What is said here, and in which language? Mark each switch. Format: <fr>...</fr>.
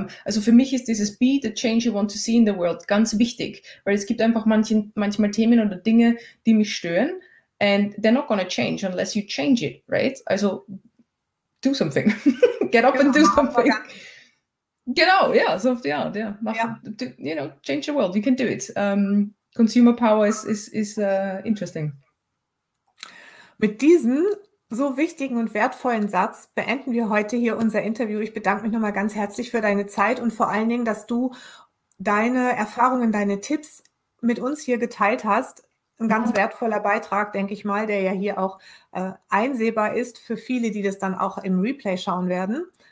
<de>Also für mich ist dieses</de> <en>be the change you want to see in the world</en> <de>ganz wichtig, weil es gibt einfach manchmal Themen oder Dinge, die mich stören,</de> <en>and they're not gonna change unless you change it, right? Also do something. Get up and do something.</en> <de>Genau, ja, so auf die Art, ja.</de> <en>Change the world, you can do it. Consumer Power is interesting.</en> <de>Mit diesem so wichtigen und wertvollen Satz beenden wir heute hier unser Interview. Ich bedanke mich nochmal ganz herzlich für deine Zeit und vor allen Dingen, dass du deine Erfahrungen, deine Tipps mit uns hier geteilt hast. Ein ganz wertvoller Beitrag, denke ich mal, der ja hier auch einsehbar ist für viele, die das dann auch im Replay schauen werden.</de>